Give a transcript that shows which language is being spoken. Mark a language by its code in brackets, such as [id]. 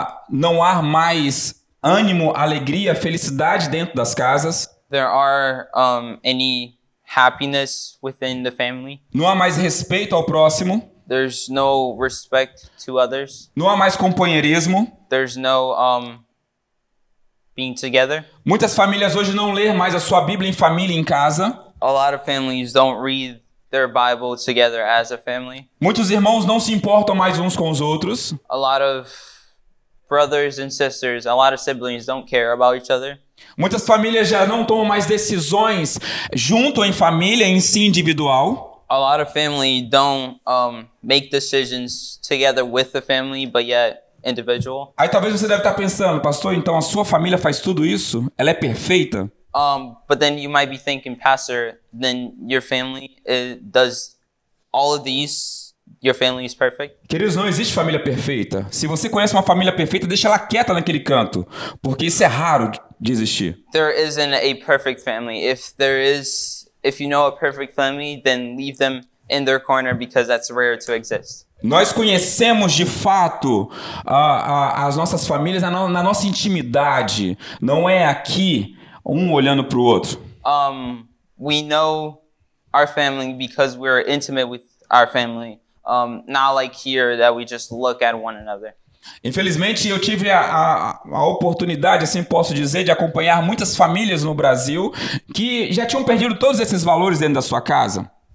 [pt] Não há mais ânimo, alegria, felicidade dentro das casas. [en] There are any happiness within the family. [pt] Não há mais respeito ao próximo. [en] There's no respect to others. [pt] Não há mais companheirismo. [en] There's no being together. [pt] Muitas famílias hoje não lê mais a sua Bíblia em família em casa. [en] A lot of families don't read their Bible together as a family. [pt] Muitos irmãos não se importam mais uns com os outros. [en] A lot of brothers and sisters, a lot of siblings don't care about each other. [pt] Muitas famílias já não tomam mais decisões junto em família em si individual. [en] A lot of family don't make decisions together with the family, but yet individual. [pt] Aí talvez você deve estar pensando, pastor, então a sua família faz tudo isso? Ela é perfeita? [en] But then you might be thinking, pastor, then your family does all of these, your family is perfect? [pt] Queridos, não existe família perfeita. Se você conhece uma família perfeita, deixa ela quieta naquele canto, porque isso é raro de existir. [en] There isn't a perfect family. If you know a perfect family, then leave them in their corner because that's rare to exist. [pt] Nós conhecemos de fato as nossas famílias na nossa intimidade. Não é aqui um olhando para o outro. [en] We know our family because we're intimate with our family. Not like here that we just look at one another. [pt] Infelizmente, eu tive a oportunidade, assim posso dizer, de acompanhar muitas famílias no Brasil que já tinham perdido todos esses valores dentro da sua casa.